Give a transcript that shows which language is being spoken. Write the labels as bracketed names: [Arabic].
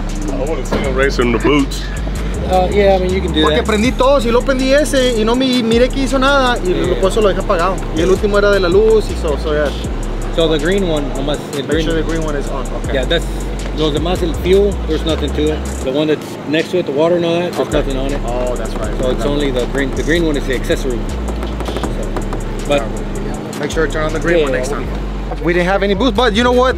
[English] I want to see him racing in the boots. Yeah, I mean, you can do [Spanish] porque [English] that. [Spanish] Prendí todo, si lo prendí ese, y no miré que hizo nada, y yeah. Por eso lo dejé apagado. Y el último era de la luz, y so yeah. [English] So the green one, I must... Make sure the green one is on, okay. Yeah, that's... [Spanish] Los demás, el fuel, [English] there's nothing to it. The one that's next to it, the water and all that, there's okay. Nothing on it. Oh, that's right. So yeah, it's only one. The green... The green one is the accessory. So, but... Yeah. Make sure to turn on the green one next time. We didn't have any boost, but you know what?